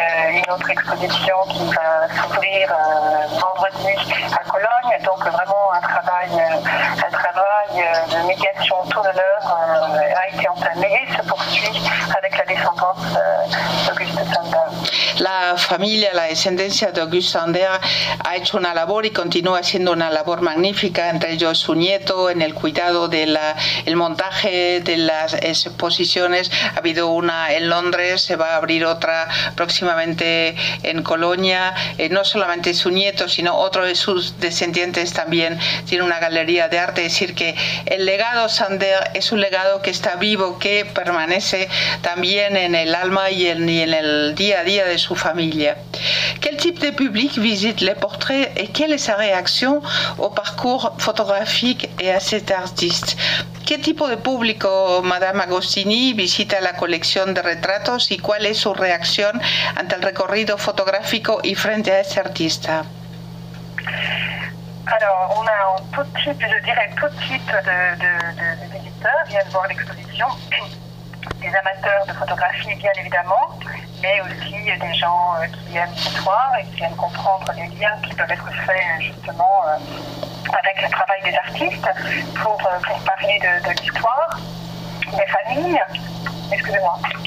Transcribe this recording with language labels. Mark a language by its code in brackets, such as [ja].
[fr] Une autre exposition qui va s'ouvrir vendredi à Cologne. Donc, vraiment un travail de médiation autour de l'œuvre a été entamé et se poursuit avec la descendance d'Auguste Sander. [es] La familia, la descendencia de Auguste Sander ha hecho una labor y continúa haciendo una labor magnífica, entre ellos su nieto, en el cuidado del montaje de las exposiciones. Ha habido una en Londres, se va a abrir otra próximamente en Colonia. No solamente su nieto, sino otro de sus descendientes también tiene una galería de arte. Es decir, que el legado Sander es un legado que está vivo, que permanece también en el alma y en el día a día de su familia. [fr] Quel type de public visite les portraits et quelle est sa réaction au parcours photographique et à cet artiste? [es] ¿Qué tipo de público Madame Agostini visita la colección de retratos y cuál es su reacción ante el recorrido fotográfico y frente a este artista? [fr] Alors, on a tout type, je dirais tout type de visiteurs viennent voir l'exposition. Des amateurs de photographie, bien évidemment, mais aussi des gens qui aiment l'histoire et qui aiment comprendre les liens qui peuvent être faits justement avec le travail des artistes pour parler de l'histoire, des familles. Excusez-moi.